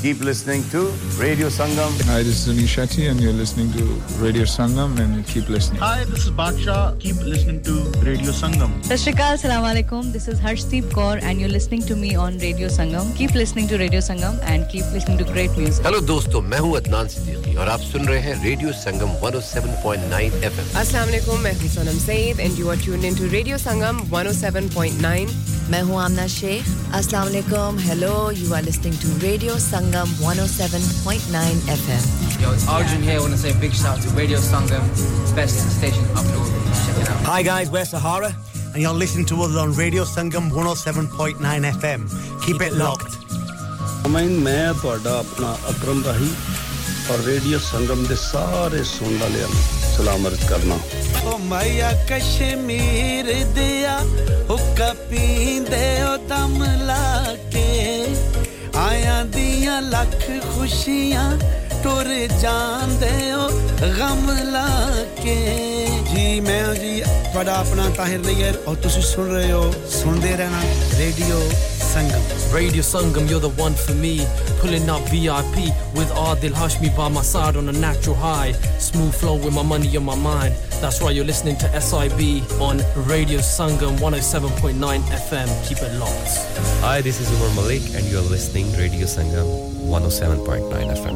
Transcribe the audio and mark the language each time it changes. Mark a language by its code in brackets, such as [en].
[en] Keep listening to Radio Sangam. Hi, this is Anish Shetty, and you're listening to Radio Sangam, and keep listening. Hi, this is Baksha. Keep listening to Radio Sangam. Sat Sri Akal, Assalamu Alaikum. This is Harshdeep Kaur, and you're listening to me on Radio Sangam. Keep listening to Radio Sangam, and keep listening to great music. Hello, dosto. [hi] मैं हूं अदनान सिद्दीकी और आप सुन रहे हैं radio संगम 107.9 FM अस्सलाम वालेकुम मैं हूं Sonam Saeed [en] and you are tuned into [hi] radio संगम 107.9 मैं हूं आमना शेख अस्सलाम वालेकुम hello [en] you are listening to [hi] radio Sangam 107.9 FM [en] yo it's Arjun here want to say big shout to radio Sangam best station up north hi guys we're Sahara and you are listening to us on radio Sangam 107.9 FM keep it locked [pa] ਮੈਂ ਤੁਹਾਡਾ ਆਪਣਾ ਅਕਰਮ ਰਾਹੀ ਔਰ radio ਸੰਗਮ ਦੇ ਸਾਰੇ ਸੁਣਨ ਵਾਲਿਆਂ ਨੂੰ ਸਲਾਮ ਅਰਜ਼ ਕਰਨਾ ਓ ਮਾਇਆ ਕਸ਼ਮੀਰ ਦਿਆ ਹੁੱਕਾ ਪੀਂਦੇ ਓ ਦਮ ਲਾ ਕੇ ਆਇਆਂ ਦੀਆਂ ਲੱਖ ਖੁਸ਼ੀਆਂ ਟੁਰ ਜਾਂਦੇ ਓ ਗਮ ਲਾ ਕੇ ਜੀ ਮੈਂ ਜੀ ਤੁਹਾਡਾ ਆਪਣਾ ਤਾਹਿਰ ਨਈਅਰ ਔਰ ਤੁਸੀਂ ਸੁਣ ਰਹੇ ਹੋ ਸੁਣਦੇ ਰਹਿਣਾ radio Sangam [en] Radio Sangam, you're the one for me. Pulling up VIP with Adil Hashmi by my side on a natural high. Smooth flow with my money on my mind. That's why you're listening to SIB on Radio Sangam 107.9 FM. Keep it locked. Hi, this is Umar Malik and you're listening to Radio Sangam 107.9 FM.